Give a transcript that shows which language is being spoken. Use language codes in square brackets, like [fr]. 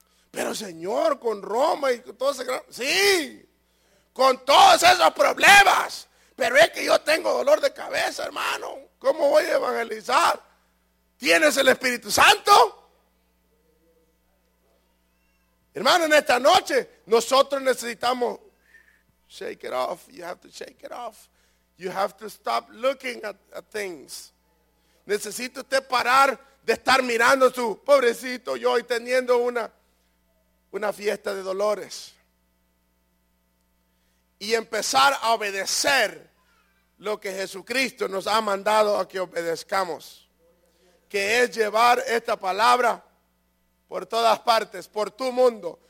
[es] Pero Señor, con Roma y con todo ese gran... Sí, con todos esos problemas. Pero es que yo tengo dolor de cabeza, hermano. ¿Cómo voy a evangelizar? ¿Tienes el Espíritu Santo? Hermano, en esta noche nosotros necesitamos... [en] Shake it off, you have to shake it off. You have to stop looking at things. [es] Necesita usted parar de estar mirando a su pobrecito yo y teniendo una fiesta de dolores. Y empezar a obedecer lo que Jesucristo nos ha mandado a que obedezcamos, que es llevar esta palabra por todas partes, por tu mundo.